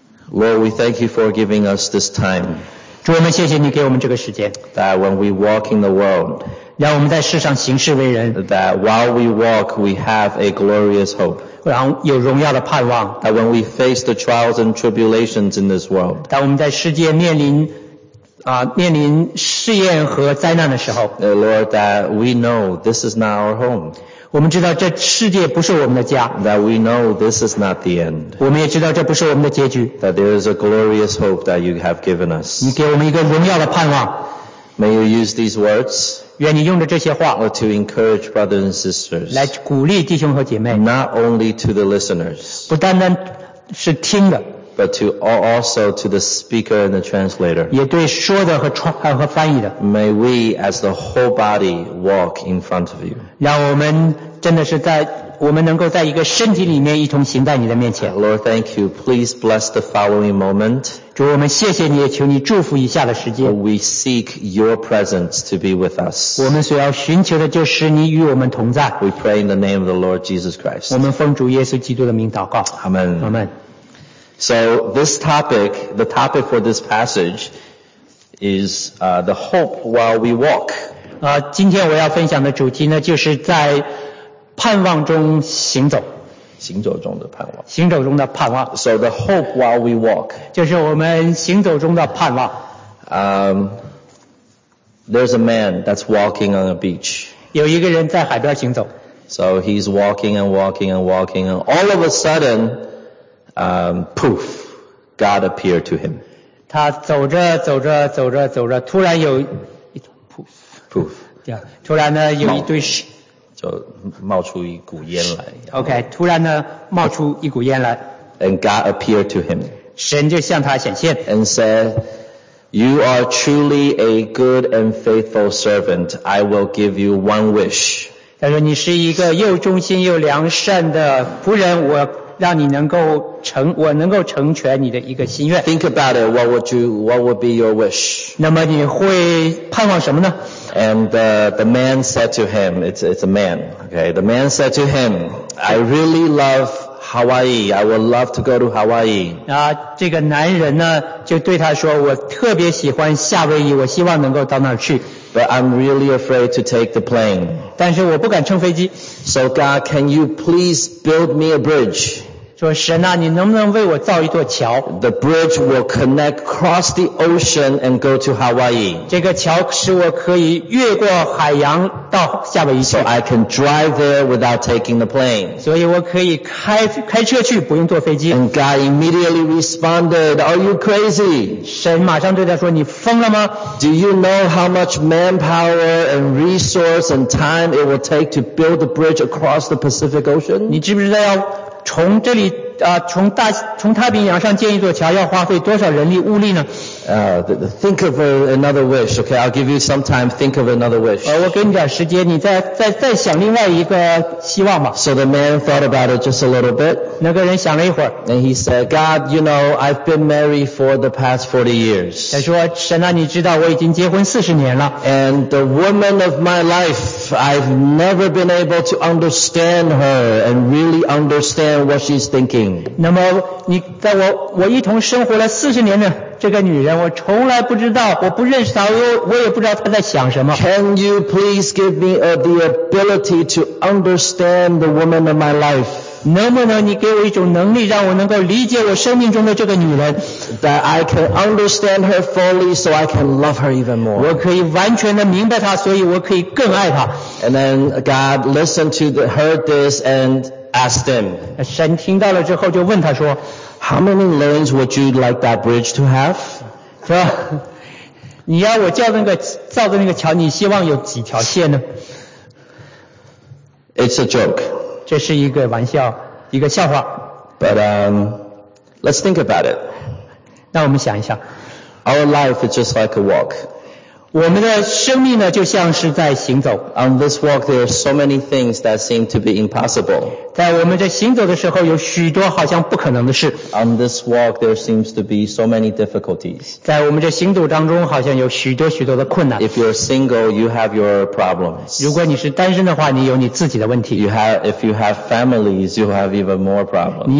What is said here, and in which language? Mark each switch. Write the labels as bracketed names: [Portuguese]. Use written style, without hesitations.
[English] Lord we thank you for giving us this time [Chinese] 主我们谢谢你给我们这个时间 [English] that when we walk in the world [Chinese] 让我们在世上行事为人 [English] that while we walk we have a glorious hope [Chinese] 然后有荣耀的盼望 [English] that when we face the trials and tribulations in this world [Chinese] 当我们在世界面临试验和灾难的时候 [English] Lord that we know this is not our home [Chinese] 我们知道这世界不是我们的家 [English] that we know this is not the end [Chinese] 我们也知道这不是我们的结局 [English] that there is a glorious hope that you have given us [Chinese] 你给我们一个荣耀的盼望 [English] May you use these words [Chinese] 愿你用着这些话 [English] or to encourage brothers and sisters, [Chinese] 来鼓励弟兄和姐妹 [English] not only to the listeners, [Chinese] 不单单是听的 [English] but to also to the speaker and the translator, [Chinese] 也对说的 和翻译的 [English] may we as the whole body walk in front of you, [Chinese] 让我们真的是在我们能够在一个身体里面一同行在你的面前。 [English] Lord, thank you. Please bless the following moment. [Chinese] 主，我们谢谢你，求你祝福以下的时间。 [English] We seek your presence to be with us. [Chinese] 我们所要寻求的就是你与我们同在。 [English] We pray in the name of the Lord Jesus Christ. [Chinese] 我们奉主耶稣基督的名祷告。 [English] Amen. Amen. So this topic, the topic for this passage is the hope while we walk. [Chinese] 今天我要分享的主题呢，就是在盼望中行走，行走中的盼望，行走中的盼望。 [English] So the hope while we walk, [Chinese] 就是我们行走中的盼望。 [English] There's a man that's walking on a beach. [Chinese] 有一个人在海边行走。 [English] So he's walking and walking and walking, and all of a sudden, poof, God appeared to him. [Chinese] 他走着走着走着走着，突然有一 poof, poof, 对啊，突然呢有一堆石。就冒出一股烟来。 OK, 突然呢冒出一股烟来。 [English] And God appeared to him. [Chinese] 神就向他显现。 [English] And said, You are truly a good and faithful servant. I will give you one wish. [Chinese] 他说你是一个又忠心又良善的仆人，我让你能够成，我能够成全你的一个心愿。 [English] Think about it, what would be your wish? [Chinese] 那么你会盼望什么呢？ [English] And the man said to him, it's a man, okay, the man said to him, I really love Hawaii, I would love to go to Hawaii. [Chinese] 这个男人呢就对他说，我特别喜欢夏威夷，我希望能够到那儿去。 [English] But I'm really afraid to take the plane. [Chinese] 但是我不敢乘飞机。 [English] So God, can you please build me a bridge? [Chinese] 说神啊，你能不能为我造一座桥？ [English] The bridge will connect across the ocean and go to Hawaii. [Chinese] 这个桥使我可以越过海洋到夏威夷去。 [English] So I can drive there without taking the plane. [Chinese] 所以我可以开车去，不用坐飞机。 [English] And God immediately responded, Are you crazy? [Chinese] 神马上对他说，你疯了吗？ [English] Do you know how much manpower and resource and time it will take to build the bridge across the Pacific Ocean? [Chinese] 你知不知道要从这里从太平洋上建一座桥要花费多少人力物力呢？ [English] Think of another wish, okay? I'll give you some time. Think of another wish. [Chinese] 我给你点时间，你再想另外一个希望吧。 [English] So the man thought about it just a little bit. [Chinese] 那个人想了一会儿。 [English] And he said, God, you know, I've been married for the past 40 years. [Chinese] 他说，神啊，你知道我已经结婚40年了。 [English] And the woman of my life, I've never been able to understand her and really understand what she's thinking. [Chinese] 那么你在我一同生活了40年呢。这个女人我从来不知道，我不认识她，我也不知道她在想什么。 [English] Can you please give me the ability to understand the woman of my life? [Chinese] 能不能你给我一种能力，让我能够理解我生命中的这个女人？ [English] That I can understand her fully so I can love her even more. [Chinese] 我可以完全的明白她，所以我可以更爱她。 [English] And then God listened to heard this and asked him. [Chinese] 神听到了之后就问她说， [English] How many lanes would you like that bridge to have? [Chinese] 是吧？你要我叫造的那个桥，你希望有几条线呢？ [English] It's a joke. [Chinese] 这是一个玩笑，一个笑话。 [English] But let's think about it. [Chinese] 那我们想一想。 [English] Our life is just like a walk. [Chinese] 我们的生命呢，就像是在行走。 [English] On this walk, there are so many things that seem to be impossible. [Chinese] 在我们这行走的时候，有许多好像不可能的事。 [English] On this walk, there seems to be so many difficulties. [Chinese] 在我们这行走当中，好像有许多许多的困难。 [English] If you're single, you have your problems. [Chinese] 如果你是单身的话，你有你自己的问题。 [English] If you have families, you have even more problems.